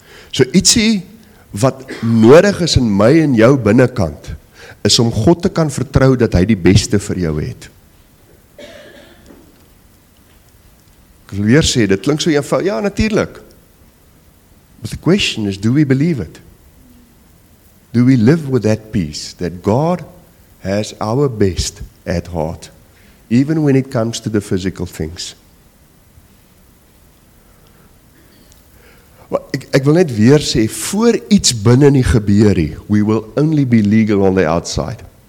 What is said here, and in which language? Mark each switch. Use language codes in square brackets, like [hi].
[af] So ietsie wat nodig is in my en jou binnekant is om God te kan vertrou dat hy die beste vir jou het. Ek wil weer sê, dit klink so eenvoudig. Ja, natuurlik. [en] But the question is, do we believe it? Do we live with that peace that God has our best at heart, even when it comes to the physical things? [af] Well, ek wil net weer sê, voor iets binne nie gebeur nie, [en] we will only be legal on the outside.